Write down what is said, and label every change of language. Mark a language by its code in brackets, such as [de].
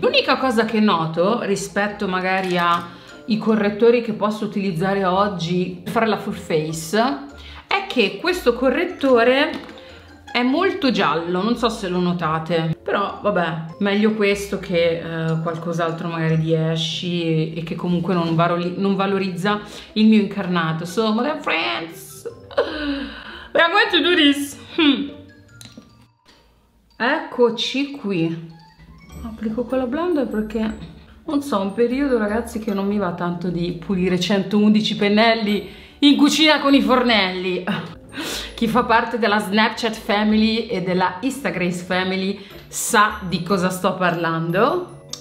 [it] L'unica cosa che noto rispetto magari ai correttori che posso utilizzare oggi per fare la full face è che questo correttore è molto giallo, non so se lo notate, però vabbè, meglio questo che qualcos'altro magari di Ashy e che comunque non valorizza il mio incarnato. [en] So, my friends, we are going to do this. [it] Eccoci qui. Applico quella blender perché non so, un periodo, ragazzi, che non mi va tanto di pulire 111 pennelli in cucina con i fornelli. Chi fa parte della Snapchat family e della Instagram family sa di cosa sto parlando.